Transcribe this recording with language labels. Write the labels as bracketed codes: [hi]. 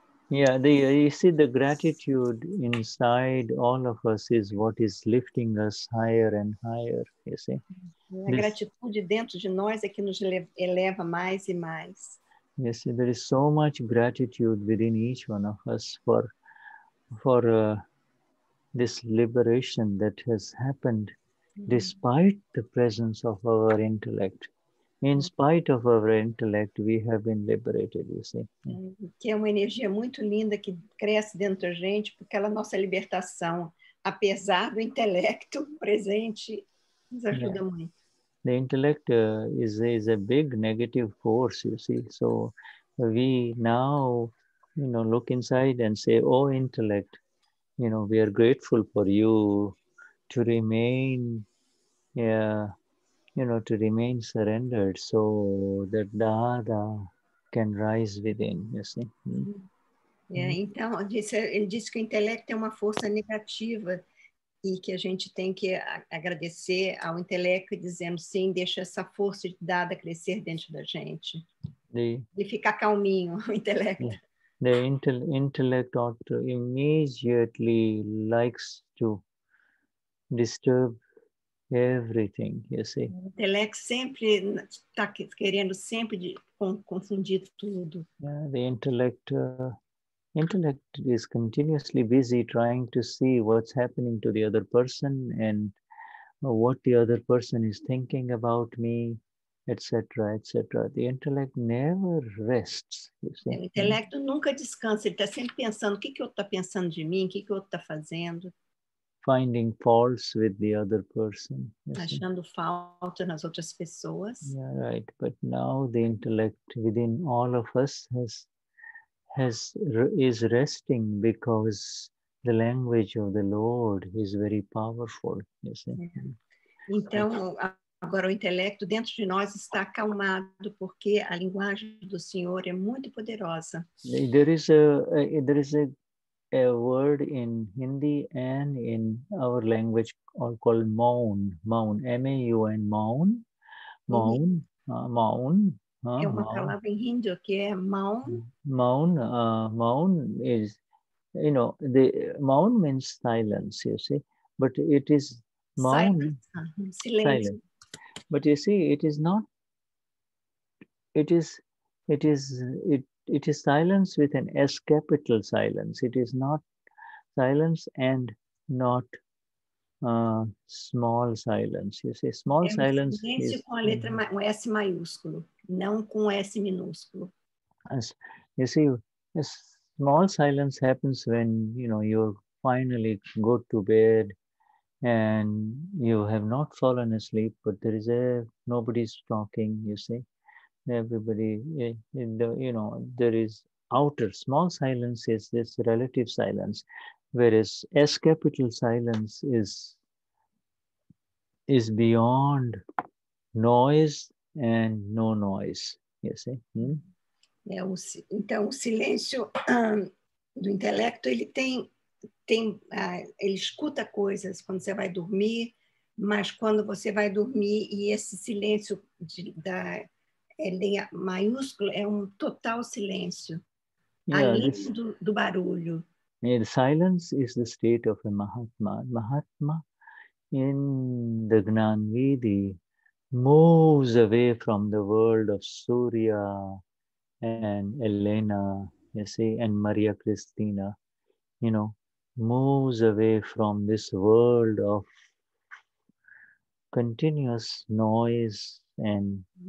[en] Yeah, you see, the gratitude inside all of us is what is lifting us higher and higher, you see. [pt] A gratitude dentro de nós é que nos eleva mais e mais. [en] You see, there is so much gratitude within each one of us for this liberation that has happened despite the presence of our intellect. In spite of our intellect, we have been liberated, you see. [pt] Que é uma energia muito linda que cresce dentro da gente, porque ela é a nossa libertação, apesar do intelecto presente, nos ajuda muito. [en] The intellect is a big negative force, you see. So we now, you know, look inside and say, oh, intellect, you know, we are grateful for you to remain, yeah, you know, to remain surrendered so that Dada can rise within, you see. Mm. [pt] Yeah, então, ele disse que o intelecto é uma força negativa e que a gente tem que agradecer ao intelecto e dizendo, sim, deixa essa força de Dada crescer dentro da gente. E ficar calminho, o intelecto. [en] The intellect ought to immediately likes to disturb everything, you see. [pt] O intelecto sempre está querendo sempre de confundir tudo. [en] Yeah, the intellect is continuously busy trying to see what's happening to the other person and what the other person is thinking about me, etc., etc. The intellect never rests, you see. [pt] O intelecto nunca descansa, ele está sempre pensando o que que o outro está pensando de mim, o que que o outro está fazendo. [en] Finding faults with the other person. [pt] Achando falta nas outras pessoas. [en] Yeah, right. But now the intellect within all of us is resting because the language of the Lord is very powerful, you see. Yeah. [pt] Então, agora o intelecto dentro de nós está acalmado porque a linguagem do Senhor é muito poderosa. [en] There is a word in Hindi and in our language called maun, maun, M-A-U-N, maun, maun, maun. [pt] É uma palavra em Hindi que é maun. [en] Maun, maun is, you know, the maun means silence, you see, but it is maun, silence. But you see, it is not, it is silence with an S capital silence. It is not silence and not small silence. You say small silence. [pt] Silêncio com a letra S maiúsculo, não com S minúsculo. [en] You see, a small silence happens when, you know, you finally go to bed and you have not fallen asleep, but there is nobody's talking, you see. Everybody, you know, there is outer small silence is this relative silence, whereas S capital silence is beyond noise and no noise. You see? Hmm? [pt] Então, o silêncio do intelecto, ele ele escuta coisas quando você vai dormir, mas quando você vai dormir e esse silêncio da linha maiúscula é um total silêncio, além do barulho. [en] The silence is the state of a mahatma. Mahatma in the Gnan Vidhi moves away from the world of Surya and Elena, you see, and Maria Cristina, you know, moves away from this world of continuous noise and